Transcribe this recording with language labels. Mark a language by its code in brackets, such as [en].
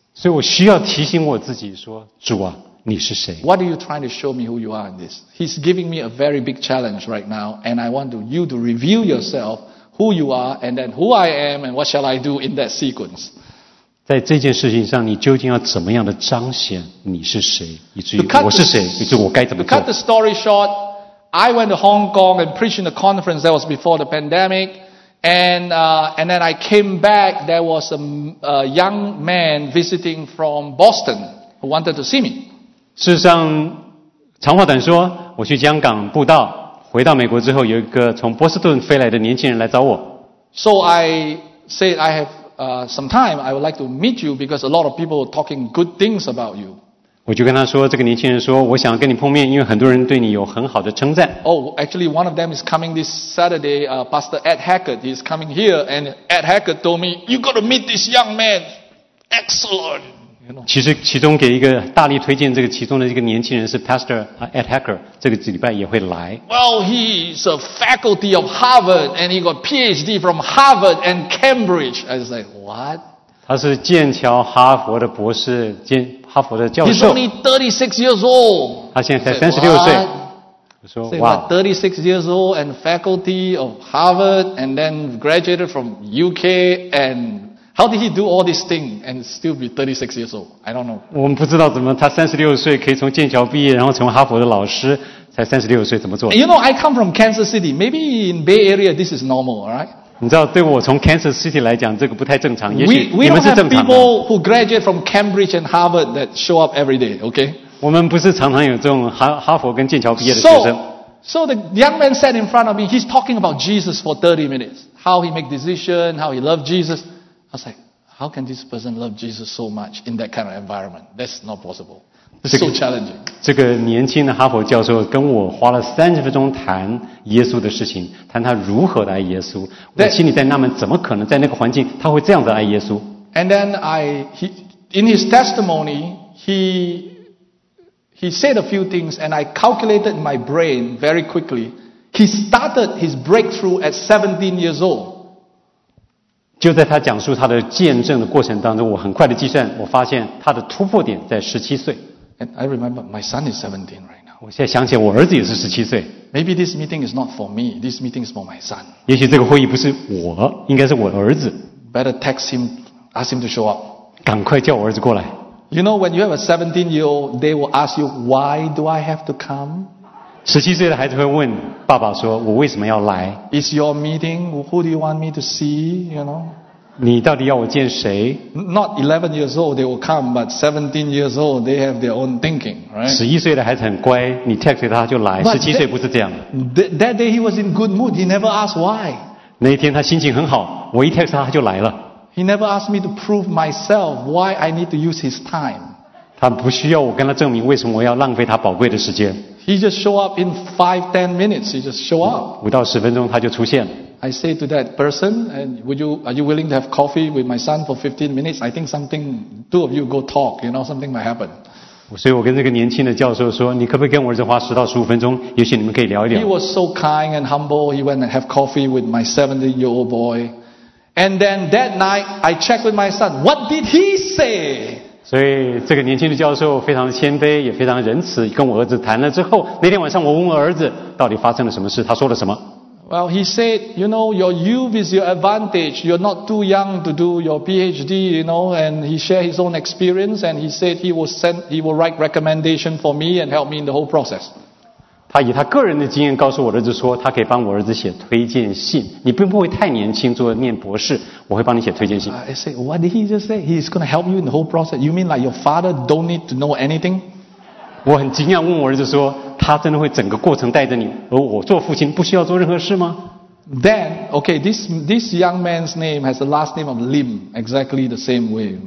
[zh] 所以我需要提醒我自己说，主啊，你是谁 [en] ？What are you trying to show me who you are in this? He's giving me a very big challenge right now, and I want you to reveal yourself. Who you are, and then who I am, and what shall I do in that sequence? [zh] 在这件事情上，你究竟要怎么样的彰显你是谁，以至于我是谁，以至于我该怎么做 [en] ？To cut the story short, I went to Hong Kong and preached in a conference that was before the pandemic, and then I came back. There was a young man visiting from Boston who wanted to see me. [zh] 事实上，长话短说，我去香港布道。回到美国之后，有一个从波士顿飞来的年轻人来找我。 [en] So I said I have some time. I would like to meet you because a lot of people are talking good things about you. [zh] 我就跟他说，这个年轻人说，我想跟你碰面，因为很多人对你有很好的称赞。 [en] Oh, actually, one of them is coming this Saturday. Pastor Ed Hackett is coming here, and Ed Hackett told me you got to meet this young man. Excellent. [zh] 其实其中给一个大力推荐这个其中的一个年轻人是 Pastor Ed Hacker 这个礼拜也会来 [en] Well, he's a faculty of Harvard and he got PhD from Harvard and Cambridge I was like, what? [zh] 他是剑桥哈佛的博士兼哈佛的教授 [en] He's only 36 years old [zh] 他现在才36岁 [en] I said, what? 36 years old and faculty of Harvard and then graduated from UK andHow did he do all these things and still be 36 years old? I don't know. [zh] 我们不知道怎么他36岁可以从剑桥毕业然后成为哈佛的老师才36岁怎么做 [en] You know, I come from Kansas City. Maybe in Bay Area, this is normal, right? [zh] 你知道对我从 Kansas City 来讲这个不太正常也许你们是正常的 [en] We don't have people who graduate from Cambridge and Harvard that show up every day, okay? [zh] 我们不是常常有这种哈佛跟剑桥毕业的学生 [en] So, So the young man sat in front of me. He's talking about Jesus for 30 minutes. How he make decision, how he loved Jesus. I was like, how can this person love Jesus so much in that kind of environment? That's not possible. It's so challenging. [zh] 这个年轻的哈佛教授跟我花了30分钟谈耶稣的事情，谈他如何的爱耶稣。我心里在纳闷，怎么可能在那个环境他会这样子爱耶稣？ [en] And then in his testimony, he said a few things, and I calculated in my brain very quickly. He started his breakthrough at 17 years old. [zh] 就在他讲述他的见证的过程当中，我很快的计算，我发现他的突破点在17岁。 [en] And I remember my son is 17 right now. [zh] 我现在想起我儿子也是17岁。 [en] Maybe this meeting is not for me. This meeting is for my son. [zh] 也许这个会议不是我，应该是我儿子。 [en] Better text him, ask him to show up. [zh] 赶快叫我儿子过来。 [en] You know, when you have a 17-year-old, they will ask you, why do I have to come? [zh] 17岁的孩子会问爸爸说，我为什么要来？ [en] It's your meeting. Who do you want me to see? You know? [zh] 你到底要我见谁？ [en] Not 11 years old, they will come, but 17 years old, they have their own thinking, right? [zh] 11岁的孩子很乖，你 text 他就来。17岁不是这样。 [en] That day he was in good mood. He never asked why. [zh] 那一天他心情很好，我一 text 他就来了。 [en] He never asked me to prove myself why I need to use his time. [zh] 他不需要我跟他证明为什么我要浪费他宝贵的时间。 [en] He just show up in 5-10 minutes. He just show up. [zh] 5到10分钟他就出现。 [en] I say to that person, and are you willing to have coffee with my son for 15 minutes? I think something, two of you go talk, you know, something might happen. [zh] 所以我跟那个年轻的教授说，你可不可以跟我儿子花10到15分钟，也许你们可以聊一聊。 [en] He was so kind and humble, he went and have coffee with my 70-year-old boy. And then that night, I checked with my son. What did he say? [zh] 所以这个年轻的教授非常谦卑，也非常仁慈，跟我儿子谈了之后，那天晚上我问我儿子到底发生了什么事，他说了什么？ [en] Well, he said, you know, your youth is your advantage. You're not too young to do your PhD, you know. And he shared his own experience, and he said he will write recommendation for me and help me in the whole process. [zh] 他以他个人的经验告诉我儿子说，他可以帮我儿子写推荐信。你并不会太年轻做念博士，我会帮你写推荐信。 [en] I say, what did he just say? He's going to help you in the whole process. You mean like your father don't need to know anything? [zh] 我很惊讶问我儿子说，他真的会整个过程带着你，而我做父亲不需要做任何事吗？ [en] Then, okay, this young man's name has the last name of Lim, exactly the same way.